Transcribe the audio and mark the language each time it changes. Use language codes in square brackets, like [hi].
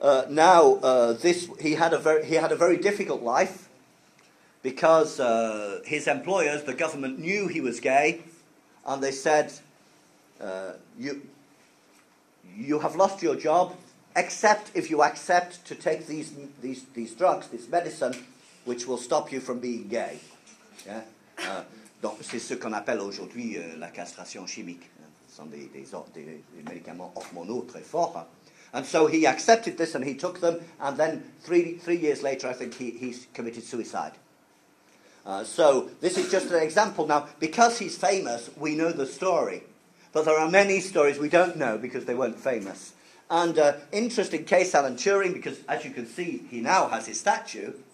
[en] Now, he had a very difficult life because his employers, the government, knew he was gay, and they said, you have lost your job, except if you accept to take these drugs, this medicine, which will stop you from being gay. Yeah? [fr] Donc, c'est ce qu'on appelle aujourd'hui la castration chimique. Ce sont des médicaments hormonaux très forts. Hein. [en] And so he accepted this and he took them, and then three years later, I think, he committed suicide. So this is just an example. Now, because he's famous, we know the story. But there are many stories we don't know because they weren't famous. And interesting case, Alan Turing, because as you can see, he now has his statue.